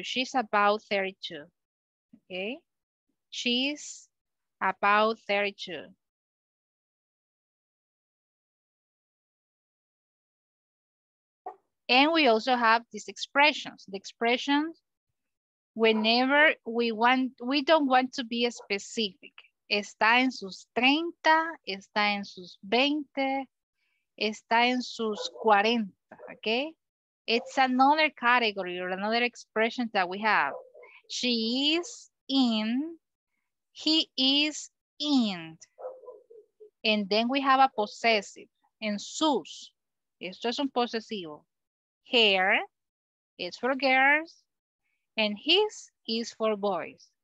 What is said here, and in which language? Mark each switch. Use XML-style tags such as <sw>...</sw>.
<en>She's about 32. Okay? She's about 32. And we also have these expressions. The expressions, whenever we want, we don't want to be specific.</en> <es>Está en sus 30, está en sus 20, está en sus 40, okay?</es> <en>It's another category or another expression that we have. She is in, he is in. And then we have a possessive, en sus.</en> <es>Esto es un posesivo.</es> <en>Hair is for girls, and his is for boys.</en>